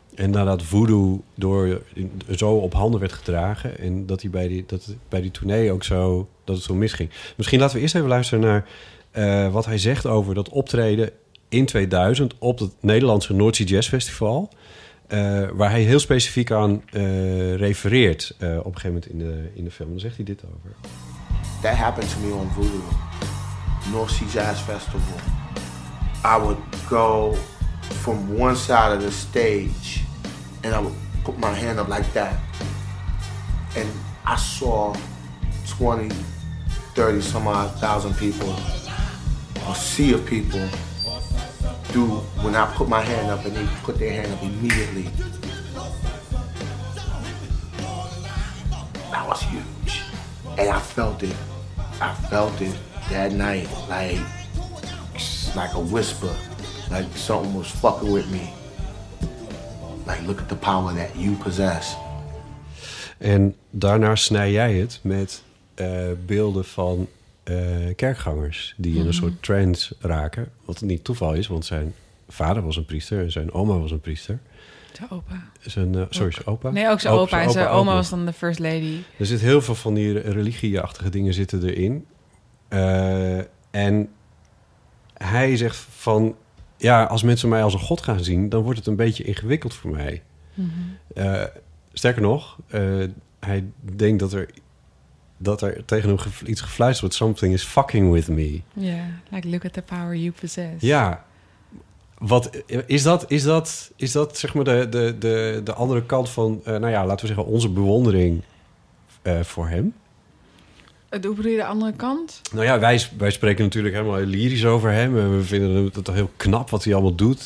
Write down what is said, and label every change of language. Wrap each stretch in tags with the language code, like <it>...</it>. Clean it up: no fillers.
<nl>En nadat voodoo zo op handen werd gedragen en dat hij bij die tournee ook zo dat het zo misging. Misschien laten we eerst even luisteren naar wat hij zegt over dat optreden in 2000 op het Nederlandse North Sea Jazz Festival. Waar hij heel specifiek aan refereert op een gegeven moment in de film. Dan zegt hij dit over.</nl> <en>That happened to me on Voodoo. North Sea Jazz Festival. I would go from one side of the stage and I would put my hand up like that. And I saw 20, 30 some odd thousand people, a sea of people, do when I put my hand up and they put their hand up immediately. That was huge. And I felt it. I felt it that night, like a whisper, like something was fucking with me. Like, look at the power that you possess.</en> <nl>En daarna snij jij het met beelden van kerkgangers die in een soort trance raken. Wat niet toeval is, want zijn vader was een priester en zijn oma was een priester. Zijn opa. Zijn opa. Nee, ook zijn opa. En zijn oma was dan de</nl> <en>first lady.</en> <nl>Er zit heel veel van die religieachtige dingen zitten erin. En hij zegt van, ja, als mensen mij als een god gaan zien, dan wordt het een beetje ingewikkeld voor mij. Mm-hmm. Sterker nog, hij denkt dat er tegen hem iets gefluisterd wordt.</nl> <en>Something is fucking with me. Yeah, like look at the power you possess.</en> <nl>Ja, wat is dat zeg maar de andere kant van, laten we zeggen, onze bewondering voor hem? Hoe bedoel je de andere kant? Nou ja, wij spreken natuurlijk helemaal lyrisch over hem. We vinden het heel knap wat hij allemaal doet.</nl>